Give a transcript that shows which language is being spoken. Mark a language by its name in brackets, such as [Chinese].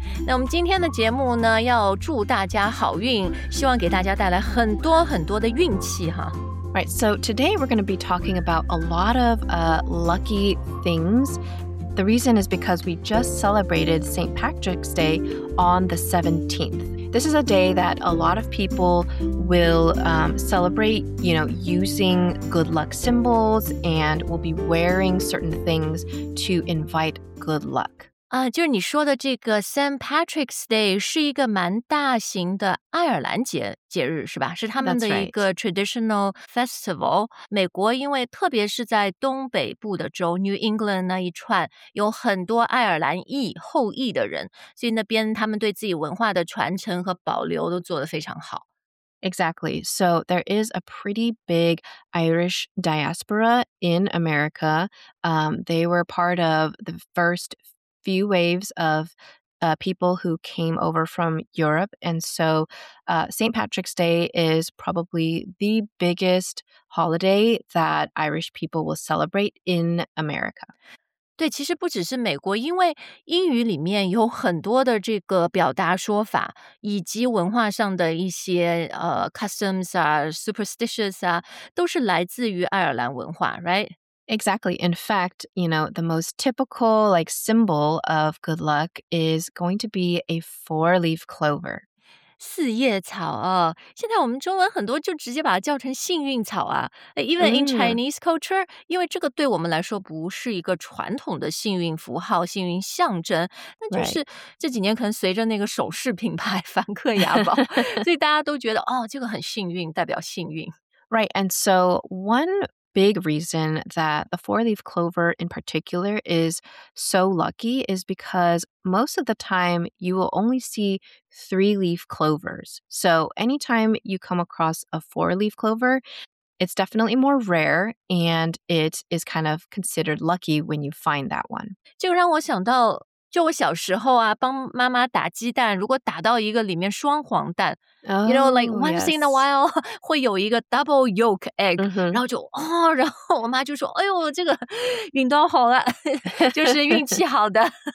[Chinese] 那我们今天的节目呢，要祝大家好运，希望给大家带来很多很多的运气哈。 [English] Right, so today we're going to be talking about a lot of lucky things. The reason is because we just celebrated St. Patrick's Day on the 17th. This is a day that a lot of people will celebrate, you know, using good luck symbols and will be wearing certain things to invite good luck. [Chinese] 就是你说的这个 St. Patrick's Day 是一个蛮大型的爱尔兰节日是吧？是他们的一个 [English] traditional festival。 [Chinese] 美国因为特别是在东北部的州 New England 那一串有很多爱尔兰裔后裔的人，所以那边他们对自己文化的传承和保留都做得非常好。 [English] Exactly. So there is a pretty big Irish diaspora in America. They were part of the first few waves of people who came over from Europe. And so St. Patrick's Day is probably the biggest holiday that Irish people will celebrate in America. [Chinese] 对，其实不只是美国，因为英语里面有很多的这个表达说法，以及文化上的一些 [English] customs [Chinese] 啊 [English] superstitions [Chinese] 啊，都是来自于爱尔兰文化 ， [English] right？ Exactly. In fact, you know, the most typical like symbol of good luck is going to be a four-leaf clover. [Chinese] 四叶草哦，现在我们中文很多就直接把它叫成幸运草啊。 [English] Even in Chinese culture, [Chinese] 因为这个对我们来说不是一个传统的幸运符号、幸运象征，那就是这几年可能随着那个首饰品牌梵克雅宝，所以大家都觉得哦，这个很幸运，代表幸运。 [English] Right. And so one big reason that the four-leaf clover in particular is so lucky is because most of the time you will only see three-leaf clovers. So anytime you come across a four-leaf clover, it's definitely more rare and it is kind of considered lucky when you find that one. [Chinese] 就让我想到，就我小时候啊，帮妈妈打鸡蛋，如果打到一个里面双黄蛋。 [English] You know, like once in a while, [Chinese] 会有一个 [English] double yolk egg, [Chinese] 然后就哦，然后我妈就说，哎呦，这个运到好了，就是运气好的。